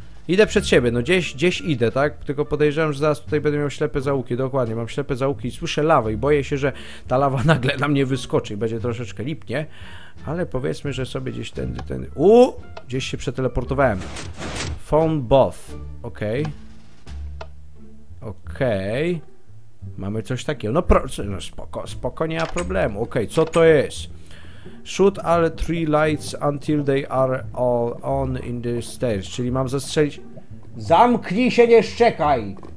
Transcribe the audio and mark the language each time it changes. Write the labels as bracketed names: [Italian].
[Polish] Idę przed siebie, no gdzieś idę, tak? Tylko podejrzewam, że zaraz tutaj będę miał ślepe zaułki, dokładnie, mam ślepe zaułki i słyszę lawę i boję się, że ta lawa nagle na mnie wyskoczy i będzie troszeczkę lipnie, ale powiedzmy, że sobie gdzieś tędy... Gdzieś się przeteleportowałem. [English] Phone booth, okej. Okay. Okej. Okay. [Polish] Mamy coś takiego, no spoko, nie ma problemu, okej, okay, co to jest? [English] Shoot all three lights until they are all on in the stairs. [Polish] Czyli mam zastrzelić... Zamknij się, nie szczekaj!